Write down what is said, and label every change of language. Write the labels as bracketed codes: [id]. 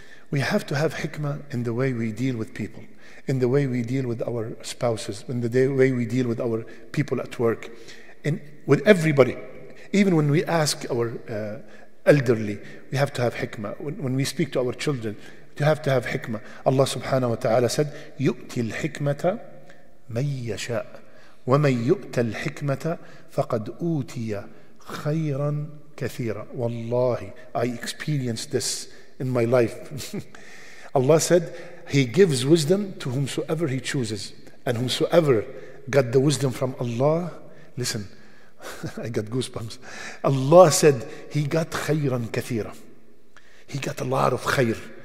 [en] We have to have hikmah in the way we deal with people, in the way we deal with our spouses, in the way we deal with our people at work, in with everybody. Even when we ask our elderly, we have to have hikmah. When we speak to our children, you have to have hikmah. [ar] Allah subhanahu wa ta'ala said, يُؤْتِي الْحِكْمَةَ مَنْ يَشَاءَ وَمَنْ يُؤْتَى الْحِكْمَةَ فَقَدْ أُوْتِيَ خَيْرًا كَثِيرًا. [en] Wallahi, I experienced this in my life. Allah said, He gives wisdom to whomsoever He chooses. And whomsoever got the wisdom from Allah, listen, I got goosebumps. Allah said, He got [ar] خَيْرًا كَثِيرًا. [en] He got a lot of khayr.